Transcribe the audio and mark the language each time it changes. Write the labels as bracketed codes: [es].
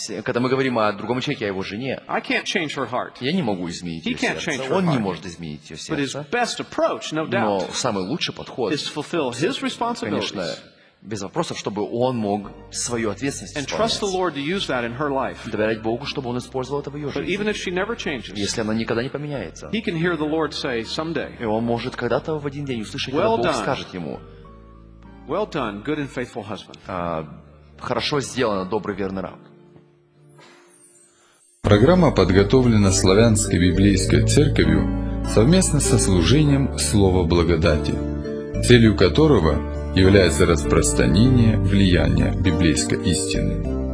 [ru] Когда мы говорим о другом человеке, о его жене. [en] I can't change her heart. [ru] Я не могу изменить ее сердце. Он не может изменить ее сердце. [en] But his best approach, no doubt, [ru] но самый лучший подход, [en] is fulfill his responsibilities. [ru] Конечно, без вопросов, чтобы он мог свою ответственность исполнять. [en] And trust the Lord to use that in her life. [ru] Доверять Богу, чтобы он использовал это в ее жизни. [en] But even if she never changes, [ru] если она никогда не поменяется, [en] he can hear the Lord say someday, [ru] и он может когда-то в один день услышать, [en] well [ru] когда Бог [en] done. [ru] Скажет ему, [en] well done, good and faithful husband. [ru] Хорошо сделано, добрый верный раб. Программа подготовлена Славянской Библейской Церковью совместно со служением Слова Благодати, целью которого является распространение влияния библейской истины.